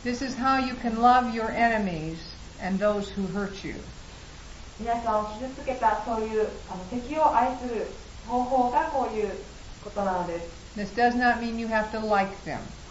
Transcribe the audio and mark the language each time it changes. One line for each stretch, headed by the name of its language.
English: This is how you can love your enemies. And those who hurt you.
Japanese: 皆さんを傷つけたそういう敵を愛する方法がこういうことなのです。
English: This does not mean you have to like them.